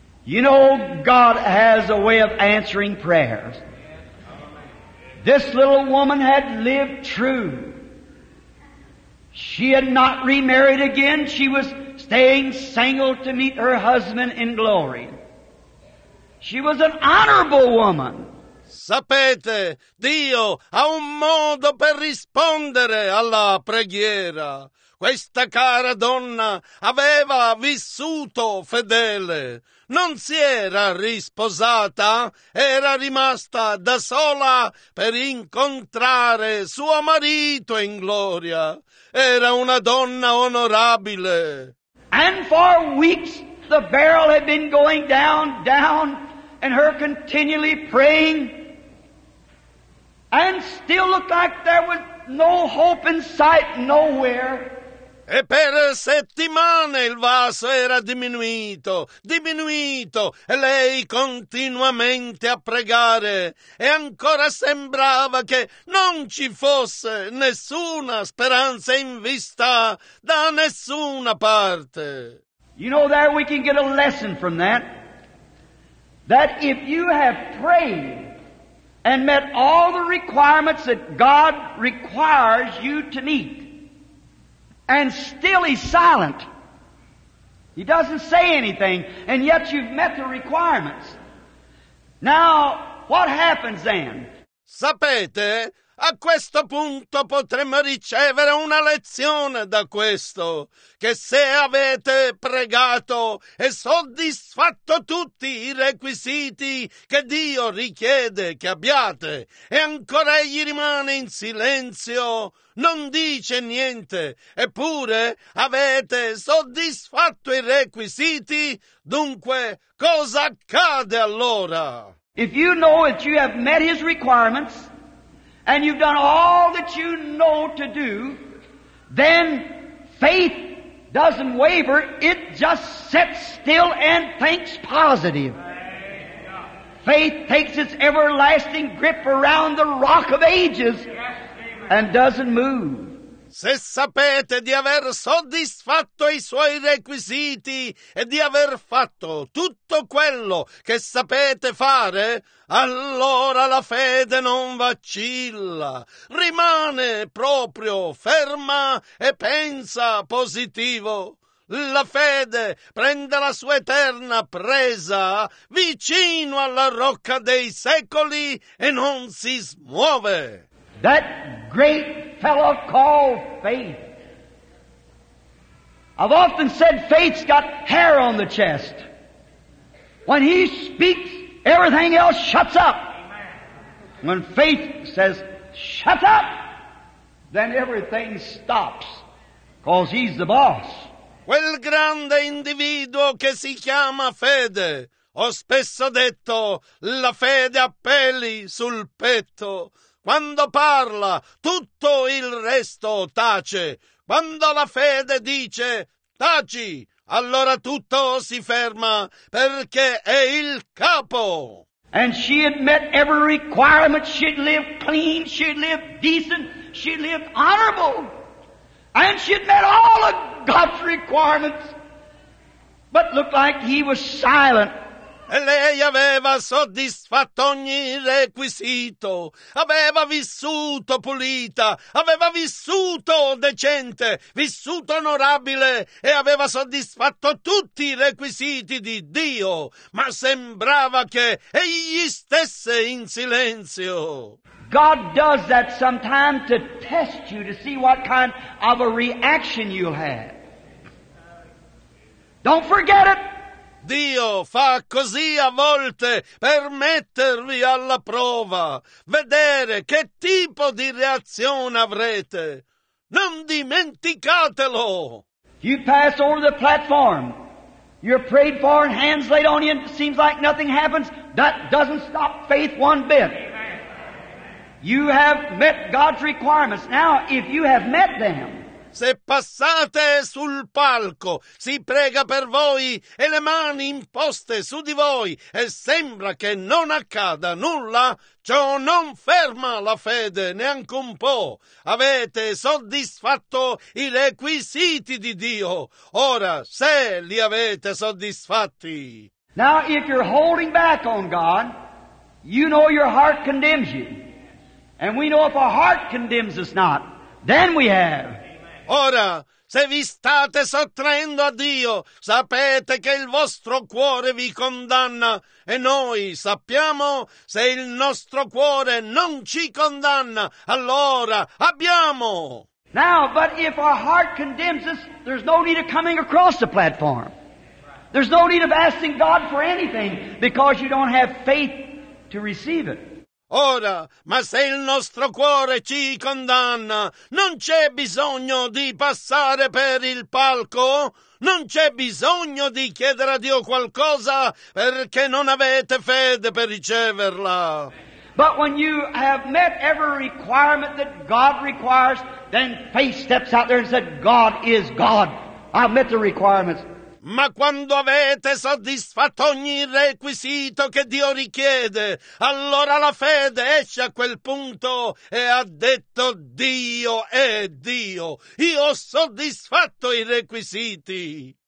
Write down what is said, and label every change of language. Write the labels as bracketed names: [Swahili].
[English] You know, God has a way of answering prayers. This little woman had lived true. She had not remarried again. She was staying single to meet her husband in glory. She was an honorable woman. [Italian] Sapete, Dio ha un modo per rispondere alla preghiera. Questa cara donna aveva vissuto fedele. Non si era risposata, era rimasta da sola per incontrare suo marito in gloria. Era una donna onorabile. [English] And for weeks the barrel had been going down, down, and her continually praying, and still looked like there was no hope in sight nowhere. [Italian] E per settimane il vaso era diminuito, diminuito, e lei continuamente a pregare, e ancora sembrava che non ci fosse nessuna speranza in vista da nessuna parte. [English] You know, there we can get a lesson from that, that if you have prayed and met all the requirements that God requires you to meet, and still he's silent. He doesn't say anything, and yet you've met the requirements. Now, what happens then? [Italian] Sapete, a questo punto potremmo ricevere una lezione da questo, che se avete pregato e soddisfatto tutti i requisiti che Dio richiede che abbiate, e ancora egli rimane in silenzio, non dice niente, eppure avete soddisfatto i requisiti, dunque cosa accade allora? [English] If you know that you have met his requirements, and you've done all that you know to do, then faith doesn't waver. It just sits still and thinks positive. Faith takes its everlasting grip around the rock of ages and doesn't move. [Italian] Se sapete di aver soddisfatto i suoi requisiti e di aver fatto tutto quello che sapete fare, allora la fede non vacilla, rimane proprio ferma e pensa positivo. La fede prende la sua eterna presa vicino alla rocca dei secoli e non si smuove. [English] That great fellow called faith. I've often said faith's got hair on the chest. When he speaks, everything else shuts up. When faith says, shut up, then everything stops, because he's the boss. [Italian] Quel grande individuo che si chiama Fede, ho spesso detto, la fede ha peli sul petto. Quando parla, tutto il resto tace. Quando la fede dice, taci, allora tutto si ferma, perché è il capo. [English] And she had met every requirement. She'd lived clean, she'd lived decent, she'd lived honorable. And she'd met all of God's requirements, but looked like he was silent. [Italian] E lei aveva soddisfatto ogni requisito, aveva vissuto pulita, aveva vissuto decente, vissuto onorabile e aveva soddisfatto tutti i requisiti di Dio, ma sembrava che egli stesse in silenzio. [English] God does that sometimes to test you to see what kind of a reaction you'll have. Don't forget it. [Italian] Dio fa così a volte per mettervi alla prova, vedere che tipo di reazione avrete. Non dimenticatelo. [English] You pass over the platform. You're prayed for and hands laid on you and it seems like nothing happens. That doesn't stop faith one bit. You have met God's requirements. Now, if you have met them, [Italian] se passate sul palco, si prega per voi e le mani imposte su di voi e sembra che non accada nulla, ciò non ferma la fede neanche un po'. Avete soddisfatto i requisiti di Dio. Ora, se li avete soddisfatti. [English] Now, if you're holding back on God, you know your heart condemns you. And we know if our heart condemns us not, then we have. [Italian] Ora, se vi state sottraendo a Dio, sapete che il vostro cuore vi condanna. E noi sappiamo, se il nostro cuore non ci condanna, allora abbiamo. [English] Now, but if our heart condemns us, there's no need of coming across the platform. There's no need of asking God for anything, because you don't have faith to receive it. [Italian] Ora, ma se il nostro cuore ci condanna, non c'è bisogno di passare per il palco? Non c'è bisogno di chiedere a Dio qualcosa perché non avete fede per riceverla? [English] But when you have met every requirement that God requires, then faith steps out there and says, God is God. I've met the requirements. [Italian] Ma quando avete soddisfatto ogni requisito che Dio richiede, allora la fede esce a quel punto e ha detto Dio è Dio. Io ho soddisfatto i requisiti.